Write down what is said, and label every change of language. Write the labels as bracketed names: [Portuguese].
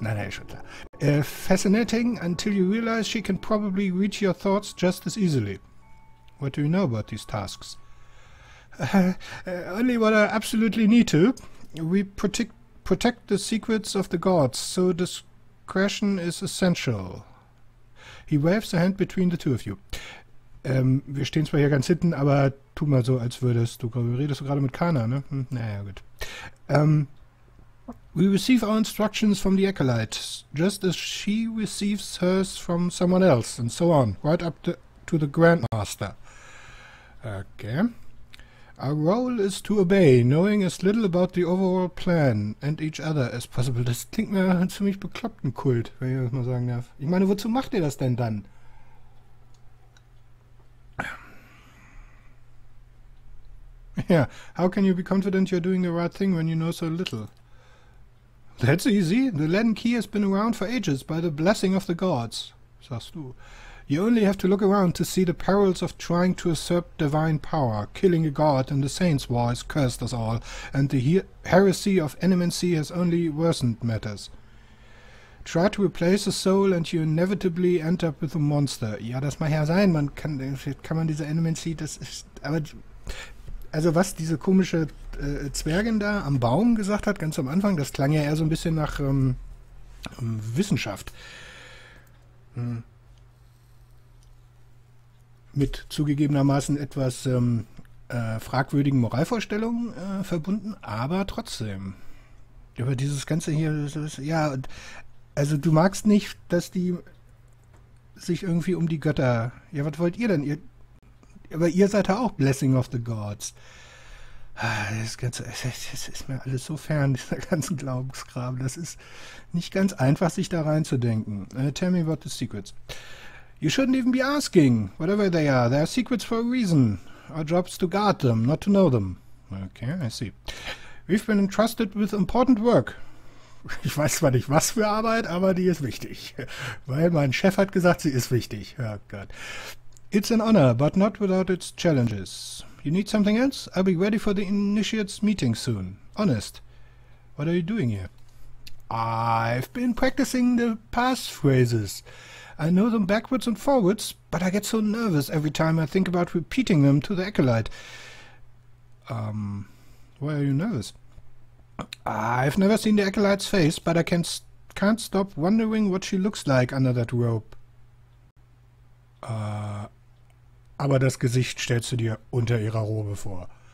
[German] Nein, schon klar. [English] Fascinating until you realize she can probably reach your thoughts just as easily. What do you know about these tasks? Only what I absolutely need to. We protect the secrets of the gods, so discretion is essential. He waves a hand between the two of you. [German] Wir stehen zwar hier ganz hinten, aber tu mal so, als würdest du. Redest du gerade mit Kana, ne? Naja, gut. [English] We receive our instructions from the Acolyte, just as she receives hers from someone else, and so on, right up to the Grandmaster. Okay. Our role is to obey, knowing as little about the overall plan and each other as possible. [German] Das klingt mir nach einem ziemlich bekloppten Kult, wenn ich das mal sagen darf. Ich meine, wozu macht ihr das denn dann? [English] Yeah, how can you be confident you're doing the right thing when you know so little? That's easy. The leaden key has been around for ages by the blessing of the gods, [German] sagst du. [English] You only have to look around to see the perils of trying to usurp divine power. Killing a god in the saints' war has cursed us all, and the heresy of enmity has only worsened matters. Try to replace a soul and you inevitably end up with a monster. [German] Ja, das mag ja sein, kann man diese enmity, das ist, aber, also was diese komische Zwergin da am Baum gesagt hat, ganz am Anfang, das klang ja eher so ein bisschen nach Wissenschaft. Mit zugegebenermaßen etwas fragwürdigen Moralvorstellungen verbunden, aber trotzdem. Aber dieses Ganze hier, ja, also du magst nicht, dass die sich irgendwie um die Götter, ja, was wollt ihr denn? Aber ihr seid ja auch [English] Blessing of the Gods. [German] Das Ganze, das ist mir alles so fern, dieser ganzen Glaubensgrab. Das ist nicht ganz einfach, sich da reinzudenken. [English] Tell me about the secrets. You shouldn't even be asking, whatever they are secrets for a reason. Our job is to guard them, not to know them. Okay, I see. We've been entrusted with important work. [German] Ich weiß zwar nicht, was für Arbeit, aber die ist wichtig. Weil mein Chef hat gesagt, sie ist wichtig. Oh Gott. [English] It's an honor, but not without its challenges. You need something else? I'll be ready for the initiates meeting soon. Honest. What are you doing here? I've been practicing the passphrases. I know them backwards and forwards, but I get so nervous every time I think about repeating them to the Acolyte. Why are you nervous? I've never seen the Acolyte's face, but I can't stop wondering what she looks like under that robe. [German] Aber das Gesicht stellst du dir unter ihrer Robe vor.